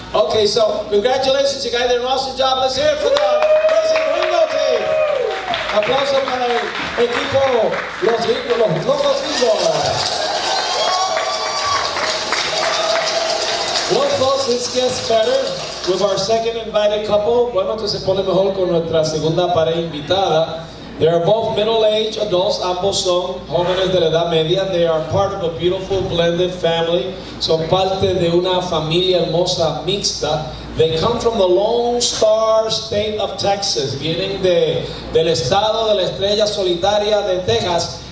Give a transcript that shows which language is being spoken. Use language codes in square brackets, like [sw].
[en] Okay, so congratulations, you guys did an awesome job. Let's hear it for the President Ringo team. [es] Aplauso para el equipo Los Ringo, Los Ringo. [en] Well, folks, this gets better with our second invited couple. [es] Bueno, que se pone mejor con nuestra segunda pareja invitada. [en] They are both middle-aged adults. [es] Ambos son jóvenes de la edad media. [en] They are part of a beautiful blended family. [es] Son parte de una familia hermosa mixta. [en] They come from the Lone Star State of Texas. [es] Vienen del estado de la estrella solitaria de Texas.